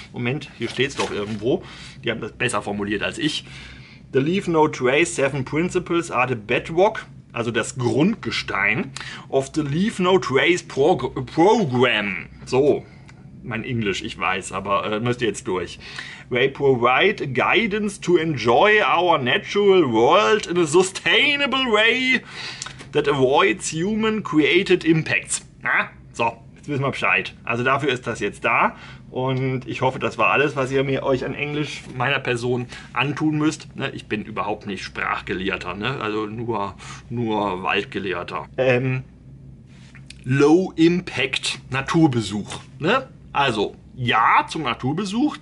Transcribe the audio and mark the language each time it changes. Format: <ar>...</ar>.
<de>Moment, hier steht es doch irgendwo. Die haben das besser formuliert als ich.</de> <en>The Leave No Trace Seven Principles are the bedrock.</en> <de>Also das Grundgestein</de> <en>of the Leave No Trace Program.</en> <de>So, mein Englisch, ich weiß, aber müsst ihr jetzt durch.</de> <en>They provide guidance to enjoy our natural world in a sustainable way that avoids human-created impacts.</en> <de>Na? So, jetzt wissen wir Bescheid. Also dafür ist das jetzt da. Und ich hoffe, das war alles, was ihr mir euch an Englisch meiner Person antun müsst. Ich bin überhaupt nicht Sprachgelehrter, ne? Also nur Waldgelehrter. Low-Impact Naturbesuch. Ne? Also ja zum Naturbesuch.</de>